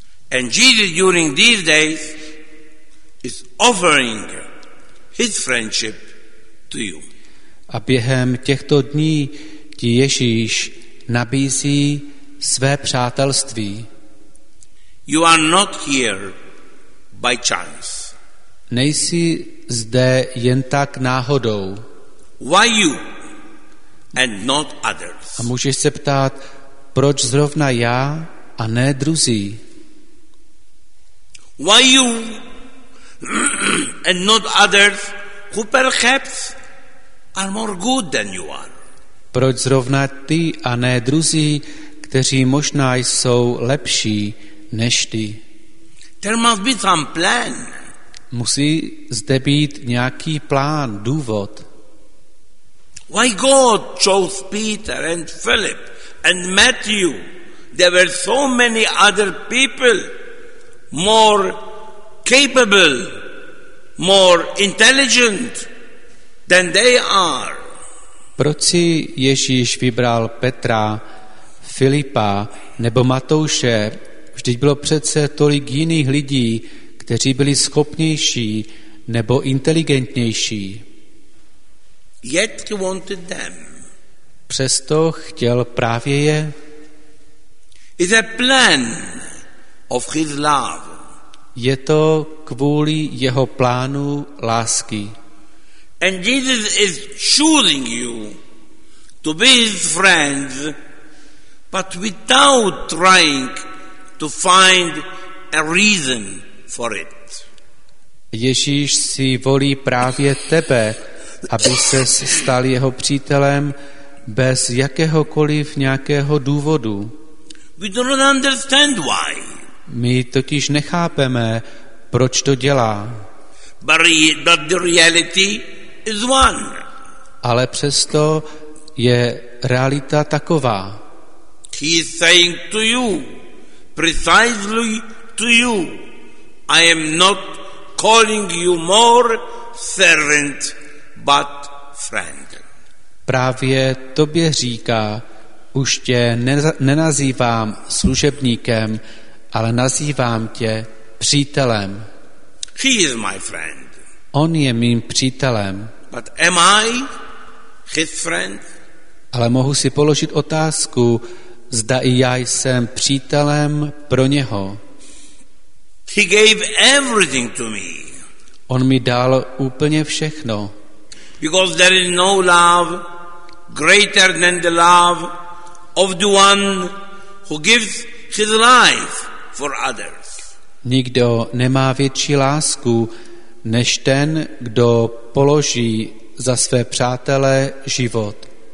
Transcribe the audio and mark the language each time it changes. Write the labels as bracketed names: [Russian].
[English] And Jesus during these days is offering his friendship to you. [Czech] A během těchto dní ti Ježíš nabízí své přátelství. [English] You are not here by chance. [Czech] Nejsi zde jen tak náhodou. [English] Why you and not others? [Czech] A můžeš se ptát, proč zrovna já a ne druzí? [English] Why you and not others who perhaps are more good than you are? [Czech] Proč zrovna ty a ne druzí, kteří možná jsou lepší než ty? [English] There must be some plan. [Czech] Musí zde být nějaký plán, důvod. [English] Why God chose Peter and Philip and Matthew? There were so many other people more capable, more intelligent than they are. [Czech] Proč si Ježíš vybral Petra, Filipa nebo Matouše? Vždyť bylo přece tolik jiných lidí, kteří byli schopnější nebo inteligentnější. [English] Yet he wanted them. [Czech] Přesto chtěl právě je. [English] It's a plan of his love. [Czech] Je to kvůli jeho plánu lásky. [English] And Jesus is choosing you to be his friends, but without trying to find a reason for it. [Czech] Ježíš si volí právě tebe, aby ses stal jeho přítelem bez jakéhokoliv nějakého důvodu. [English] We don't understand why. [Czech] My totiž nechápeme, proč to dělá. [English] But the reality is one. [Czech] Ale přesto je realita taková. [English] He is saying to you, precisely to you, I am not calling you more servant, but friend. [Czech] Právě tobě říká, už tě nenazývám služebníkem, ale nazývám tě přítelem. [English] He is my friend. [Czech] On je mým přítelem. [English] But am I his friend? [Czech] Ale mohu si položit otázku, zda i já jsem přítelem pro něho. [English] He gave everything to me. [Czech] On mi dal úplně všechno. [English] Because there is no love greater than the love of the one who gives his life for others. [Czech] Nikdo nemá větší lásku než ten, kdo položí za své přátele život.